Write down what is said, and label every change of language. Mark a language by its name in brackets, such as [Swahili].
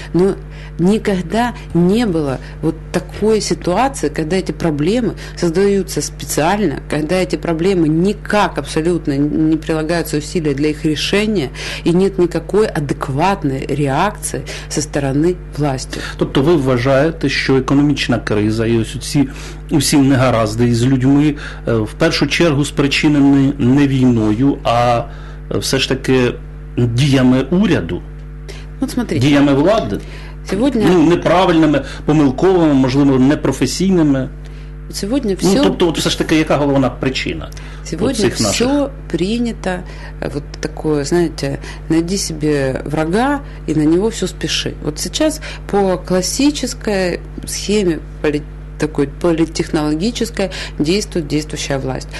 [Russian] Но никогда не было вот такой ситуации, когда эти проблемы создаются специально, когда эти проблемы никак абсолютно не прилагаются усилия для их решения, и нет никакой адекватной реакции со стороны власти. [Ukrainian] Тобто ви вважаєте, що економічна криза і ось ці усі негаразди із людьми в першу чергу спричинені не війною, а все ж таки діями уряду, [Russian] от смотрите, [Ukrainian] діями влади, сьогодні... ну, неправильними, помилковими, можливо, непрофесійними. [Russian] Сегодня все... [Ukrainian] Ну, тобто, от, все ж таки, яка головна причина? [Russian] Сегодня всех наших? Все принято, вот такое, знаете, найди себе врага и на него все спеши. Вот сейчас по классической схеме такой политтехнологической действует действующая власть.